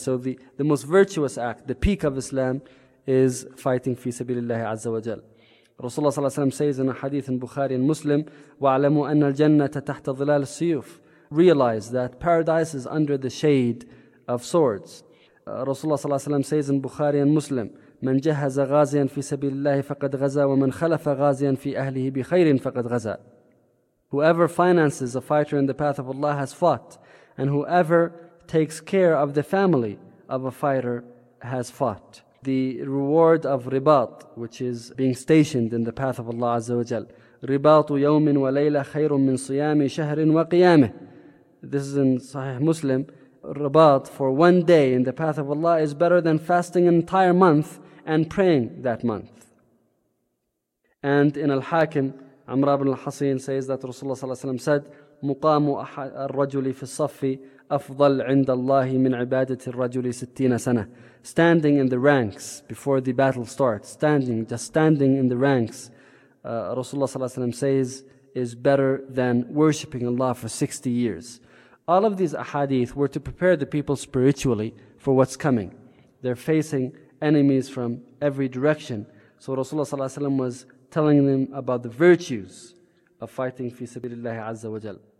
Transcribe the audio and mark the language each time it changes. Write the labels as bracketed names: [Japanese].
[English] So the most virtuous act, the peak of Islam, is fighting fi Sabilillah Azza wa Jal. Rasulullah ﷺ says in a hadith in Bukhari and Muslim, [Arabic] وَعْلَمُوا أَنَّ الْجَنَّةَ تَحْتَ ظِلَالِ السُّيُوفِ. [English] Realize that paradise is under the shade of swords. Rasulullah ﷺ says in Bukhari and Muslim, [Arabic] مَنْ جَهَزَ غَازِيًا فِي سَبِيلِ اللَّهِ فَقَدْ غَزَى وَمَنْ خَلَفَ غَازِيًا فِي أَهْلِهِ بِخَيْرٍ فَقَدْ غَزَى. [English] Whoever finances a fighter in the path of Allah has fought, and whoever takes care of the family of a fighter has fought. The reward of ribat, which is being stationed in the path of Allah Azza wa Jal, [Arabic] رِبَاطُ يَوْمٍ وَلَيْلَ خَيْرٌ مِّنْ صِيَامِ شَهْرٍ وَقِيَامِهِ. [English] This is in Sahih Muslim. Rabat for one day in the path of Allah is better than fasting an entire month and praying that month. And in Al-Hakim, Amr ibn al-Hasin says that Rasulullah ﷺ said, [Arabic] مُقَامُ الرَّجُلِ فِي الصَّفِّ أَفْضَلْ عِنْدَ اللَّهِ مِنْ عِبَادَةِ الرَّجُلِ سِتِّينَ سَنَةً. [English] Standing in the ranks before the battle starts, standing, just standing in the ranks, Rasulullah ﷺ says, is better than worshipping Allah for 60 years. All of these ahadith were to prepare the people spiritually for what's coming. They're facing enemies from every direction. So Rasulullah ﷺ was telling them about the virtues of fighting fi sabilillahi azza wa jal.